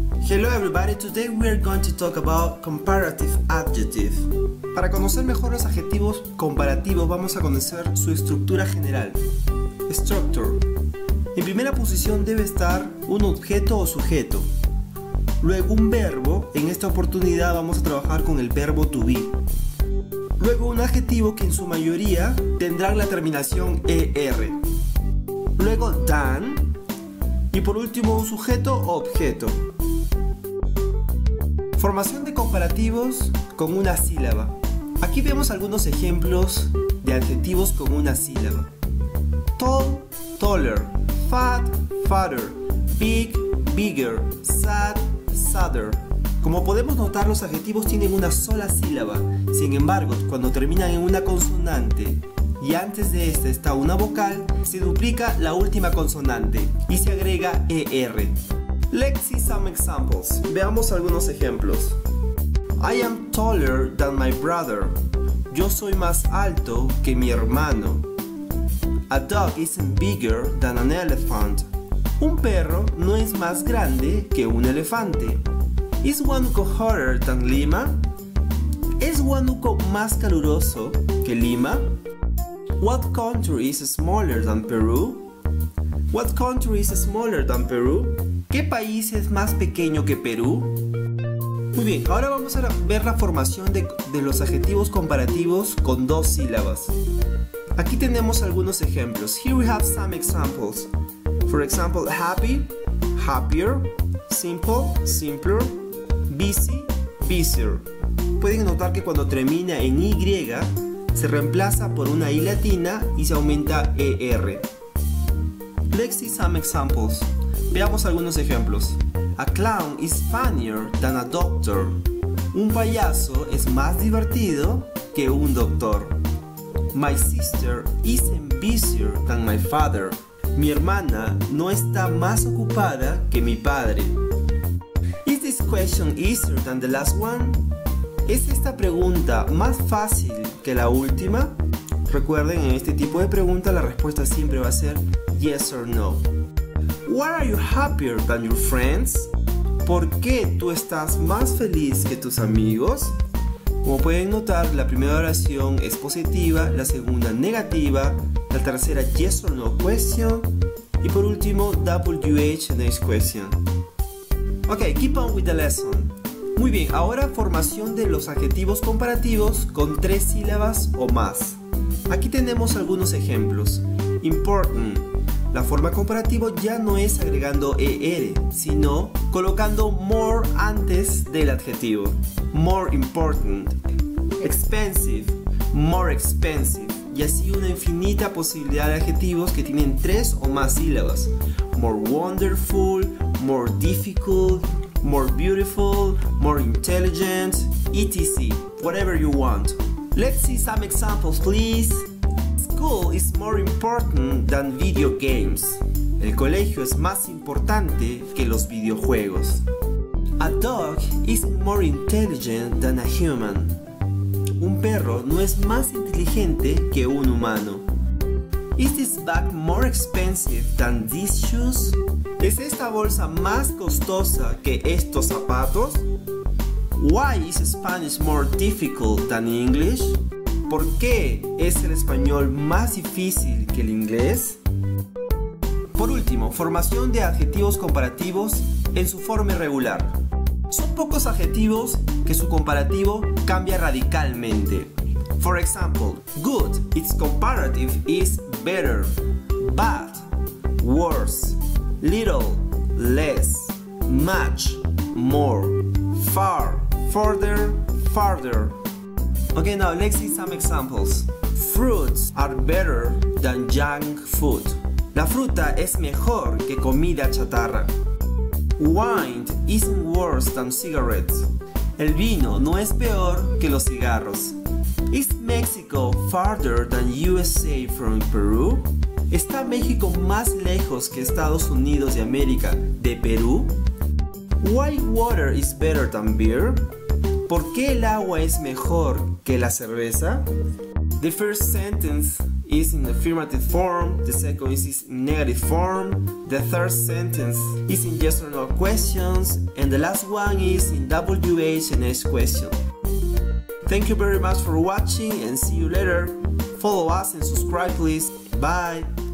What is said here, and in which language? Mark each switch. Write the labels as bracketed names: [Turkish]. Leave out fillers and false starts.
[English] Hello everybody, today we are going to talk about comparative adjectives. [Spanish] Para conocer mejor los adjetivos comparativos, vamos a conocer su estructura general. [English] Structure. [Spanish] En primera posición debe estar un objeto o sujeto. Luego un verbo, en esta oportunidad vamos a trabajar con el verbo to be. Luego un adjetivo que en su mayoría tendrá la terminación er. Luego done. Y por último un sujeto o objeto. Formación de comparativos con una sílaba. Aquí vemos algunos ejemplos de adjetivos con una sílaba. [English] Tall, taller. Fat, fatter. Big, bigger. Sad, sadder. [Spanish] Como podemos notar, los adjetivos tienen una sola sílaba. Sin embargo, cuando terminan en una consonante y antes de esta está una vocal, se duplica la última consonante y se agrega er. [English] Let's see some examples. [Spanish] Veamos algunos ejemplos. [English] I am taller than my brother. [Spanish] Yo soy más alto que mi hermano. [English] A dog isn't bigger than an elephant. [Spanish] Un perro no es más grande que un elefante. [English] Is Huánuco hotter than Lima? [Spanish] ¿Es Huánuco más caluroso que Lima? [English] What country is smaller than Peru? What country is smaller than Peru? [Spanish] ¿Qué país es más pequeño que Perú? Muy bien, ahora vamos a ver la formación de los adjetivos comparativos con dos sílabas. Aquí tenemos algunos ejemplos. [English] Here we have some examples. For example, happy, happier, simple, simpler, busy, busier. [Spanish] Pueden notar que cuando termina en Y, se reemplaza por una I latina y se aumenta ER. [English] Let's see some examples. [Spanish] Veamos algunos ejemplos. [English] A clown is funnier than a doctor. [Spanish] Un payaso es más divertido que un doctor. [English] My sister isn't busier than my father. [Spanish] Mi hermana no está más ocupada que mi padre. [English] Is this question easier than the last one? [Spanish] ¿Es esta pregunta más fácil que la última? Recuerden, en este tipo de pregunta la respuesta siempre va a ser [English] yes or no. Why are you happier than your friends? [Spanish] ¿Por qué tú estás más feliz que tus amigos? Como pueden notar, la primera oración es positiva, la segunda negativa, la tercera [English] yes or no question, [Spanish] y por último [English] WH next question. Ok, keep on with the lesson. [Spanish] Muy bien, ahora formación de los adjetivos comparativos con tres sílabas o más. Aquí tenemos algunos ejemplos. Important. La forma comparativa ya no es agregando er, sino colocando more antes del adjetivo. [English] More important. Expensive. More expensive. [Spanish] Y así una infinita posibilidad de adjetivos que tienen tres o más sílabas. [English] More wonderful. More difficult. More beautiful. More intelligent. Etc. Whatever you want. Let's see some examples, please. School is more important than video games. [Spanish] El colegio es más importante que los videojuegos. [English] A dog is more intelligent than a human. [Spanish] Un perro no es más inteligente que un humano. [English] Is this bag more expensive than these shoes? [Spanish] ¿Es esta bolsa más costosa que estos zapatos? [English] Why is Spanish more difficult than English? [Spanish] ¿Por qué es el español más difícil que el inglés? Por último, formación de adjetivos comparativos en su forma irregular. Son pocos adjetivos que su comparativo cambia radicalmente. [English] For example, good, its comparative is better. Bad, worse. Little, less. Much, more. Far, further, farther. Okay, now let's see some examples. Fruits are better than junk food. [Spanish] La fruta es mejor que comida chatarra. [English] Wine isn't worse than cigarettes. [Spanish] El vino no es peor que los cigarros. [English] Is Mexico farther than USA from Peru? [Spanish] ¿Está México más lejos que Estados Unidos de América de Perú? [English] Why water is better than beer? [Spanish] ¿Por qué el agua es mejor que la cerveza? [English] The first sentence is in affirmative form, the second is in negative form, the third sentence is in yes or no questions, and the last one is in WHNH question. Thank you very much for watching and see you later. Follow us and subscribe, please. Bye.